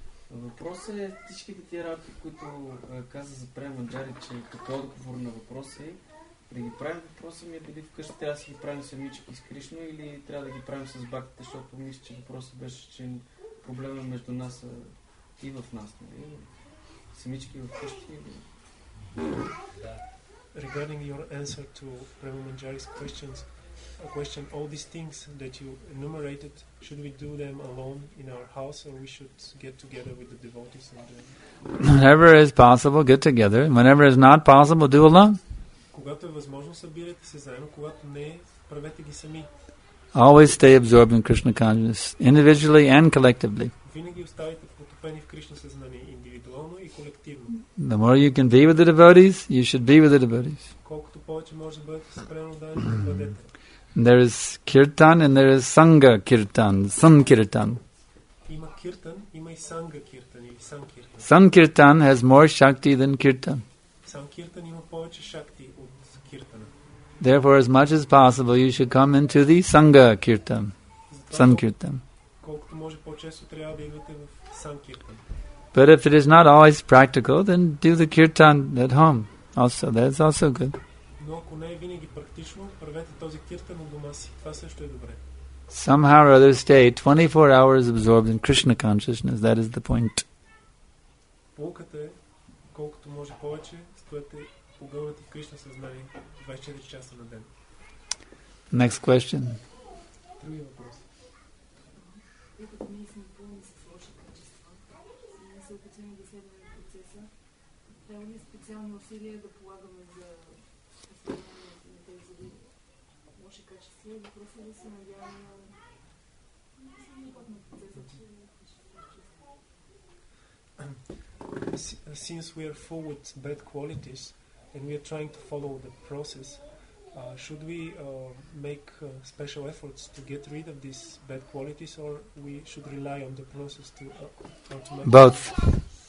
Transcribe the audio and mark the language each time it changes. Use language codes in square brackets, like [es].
[bg] Въпросът е всичките тия работи, които каза за Преманджари, че като отговор на въпроса е, при ги правим въпроса ми е дали вкъщи трябва да си ги правим самички с Кришна или трябва да ги правим с бактите, защото мисля, че въпросът беше, че проблема между нас е и в нас, нали? Самички вкъщи. Да. [en] Regarding your answer to Преманджари's questions, a question, all these things that you enumerated, should we do them alone in our house or we should get together with the devotees? And whenever is possible, get together. Whenever is not possible, do alone. [bg] Когато е възможно, събирайте се заедно. Когато не е, правете ги сами. [en] Always stay absorbed in Krishna consciousness, individually and collectively. [bg] Винаги оставайте потопени в Кришна съзнание, индивидуално и колективно. [en] The more you can be with the devotees, you should be with the devotees. [bg] Колкото повече може да бъдете спрено, да бъдете. [en] There is kirtan and there is sangha kirtan, sankirtan. [bg] Има kirtan, има и sangha kirtan, или sankirtan. [en] Sankirtan has more shakti than kirtan. [bg] Sankirtan има повече шакти от kirtan. [en] Therefore, as much as possible, you should come into the sangha kirtan, sankirtan. [bg] Колкото може по-често трябва да идвате в sankirtan. [en] But if it is not always practical, then do the kirtan at home. Also, that's also good. [bg] Но ако не е винаги практично, правете този киртан у дома си. Това също е добре. [en] Somehow or other stay 24 hours absorbed in Krishna consciousness. That is the point. [bg] Полката е, колкото може повече, стоете погълнати в Кришна съзнание 24 часа на ден. [en] Next question. [bg] Други въпроси. Докато ние сме пълни с лоши качества, ние се опитваме да следваме процеса, трябва ли специално усилие да полагаме за на тези лоши качества и въпроси да се надяваме на процеса, че [en] Since we are full with bad qualities and we are trying to follow the process, should we make special efforts to get rid of these bad qualities, or we should rely on the process to automatically?